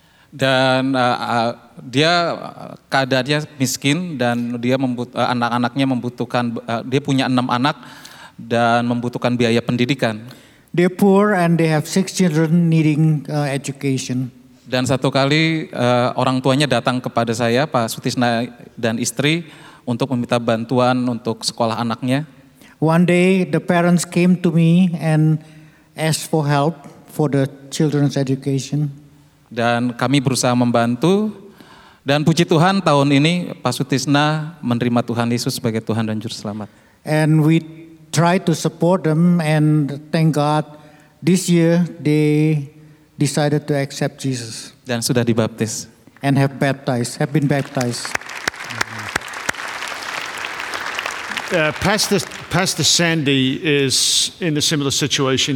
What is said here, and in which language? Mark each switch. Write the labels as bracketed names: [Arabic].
[Indonesian] Dan dia keadaannya miskin dan dia anak-anaknya membutuhkan. Dia punya 6 anak. Dan membutuhkan biaya pendidikan. [English] They're poor and they have 6 children needing education. [Indonesian] Dan satu kali orang tuanya datang kepada saya, Pak Sutisna dan istri, untuk meminta bantuan untuk sekolah anaknya. [English] One day the parents came to me and asked for help for the children's education. [Indonesian] Dan kami berusaha membantu. Dan puji Tuhan tahun ini Pak Sutisna menerima Tuhan Yesus sebagai Tuhan dan Juru Selamat. [English] And we try to support them, and thank God, this year they decided to accept Jesus. [Indonesian] Dan sudah dibaptis. [English] And have baptized, have been baptized. Pastor Sandi is in a similar situation.